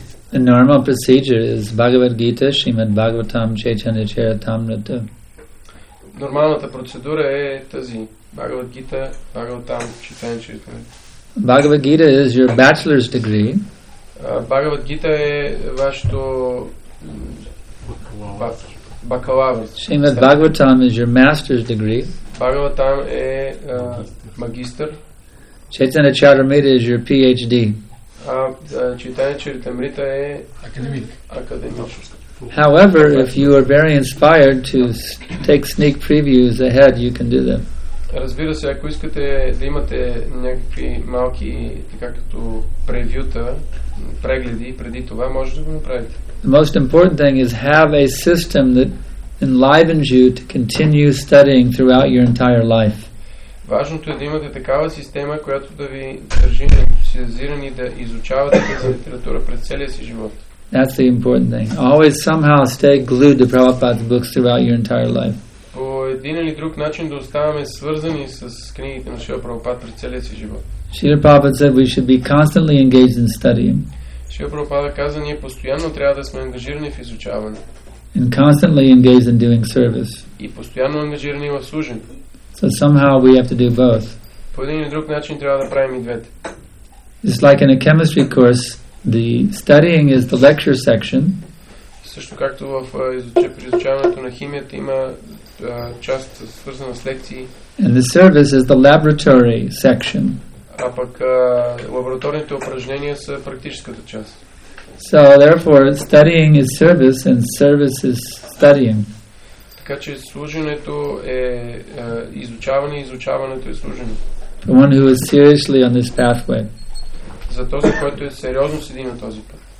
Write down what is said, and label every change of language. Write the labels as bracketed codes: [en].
[en] The normal procedure is Bhagavad Gita, Srimad Bhagavatam, Chaitanya Charitamrita. [bg] Нормалната процедура е тази: Bhagavad Gita, Bhagavatam, Chaitanya Charitamrita. [en] Bhagavad Gita is your bachelor's degree. [bg] Bhagavad Gita е вашето бакалавър. [en] Srimad Bhagavatam is your master's degree. [bg] Bhagavatam е магистър. [en] Chaitanya Charitamrita is your PhD. [bg] Chaitanya Charitamrita е академик. [en] However, if you are very inspired to take sneak previews ahead, you can do them. [bg] Разбира се, ако искате да имате някакви малки, така като превюта, прегледи преди това, може да го направите. [en] The most important thing is have a system that enlivens you to continue studying throughout your entire life. [bg] Важното е да имате такава система, която да ви държи ентусиазиран и да изучавате тази литература през целия си живот. [en] That's the important thing. Always somehow stay glued to Prabhupada's books throughout your entire life. [bg] По един или друг начин да оставаме свързани с книгите на Шрила Прабхупада през целия си живот. [en] Шрила Прабхупада said we should be constantly engaged in studying. [bg] Шрила Прабхупада каза, ние постоянно трябва да сме ангажирани в изучаване. [en] And constantly engaged in doing service. [bg] И постоянно ангажирани в служене. [en] So somehow we have to do both. [bg] По един или друг начин трябва да правим и двете. [en] Just like in a chemistry course, the studying is the lecture section. [bg] Също както в изучаването на химията има част свързана с лекции. [en] And the service is the laboratory section. [bg] А пък лабораторните упражнения са практическата част. [en] So therefore, studying is service and service is studying. [bg] Така че служенето е изучаване, изучаването е служене. [en] The one who is seriously on this pathway. [bg] За този, който е сериозно седи на този път.